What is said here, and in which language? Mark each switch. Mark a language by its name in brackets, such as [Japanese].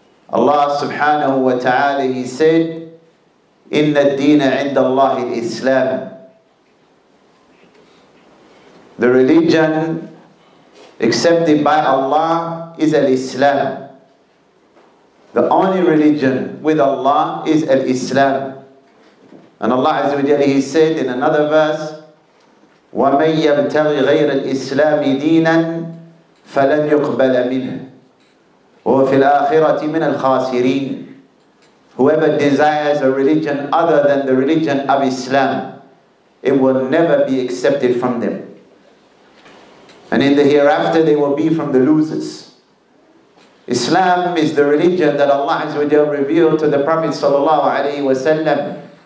[English] Allah subhanahu wa ta'ala, He said, [Arabic] إِنَّ الدِّينَ عِنْدَ اللَّهِ الْإِسْلَامِ. [English] The religion accepted by Allah is al-Islam. The only religion with Allah is al-Islam. And Allah Azza wa Jalla, He said in another verse, [Arabic] وَمَنْ يَبْتَغِ غَيْرَ الْإِسْلَامِ دِينًا فَلَنْ يُقْبَلَ مِنْهُ وَفِي الْآخِرَةِ مِنَ الْخَاسِرِينَ. [English] Whoever desires a religion other than the religion of Islam, it will never be accepted from them. And in the hereafter, they will be from the losers. Islam is the religion that Allah Azza wa Jalla revealed to the Prophet sallallahu alaihi wasallam.